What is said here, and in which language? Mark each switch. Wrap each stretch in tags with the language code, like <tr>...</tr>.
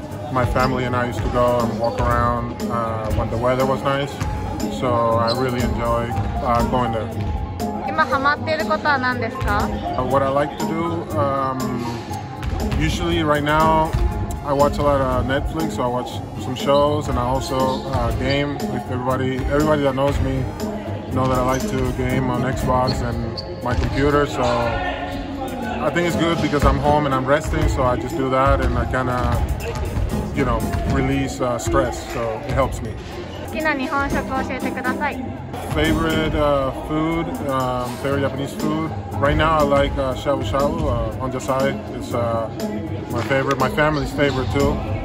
<en>My family and I used to go and walk around when the weather was nice. So I really enjoy going there.</en> <ja>今ハマっていることは何ですか?</ja> <en>What I like to do, usually right now,I watch a lot of Netflix, so I watch some shows and I also game. If everybody that knows me know that I like to game on Xbox and my computer, so I think it's good because I'm home and I'm resting, so I just do that and I kind of, you know, release stress, so it helps me.</en> <ja>好きな日本食を教えてください。</ja> <en>Favorite food, favorite Japanese food. Right now I like shabu shabu on the side. It's my favorite, my family's favorite too.</en>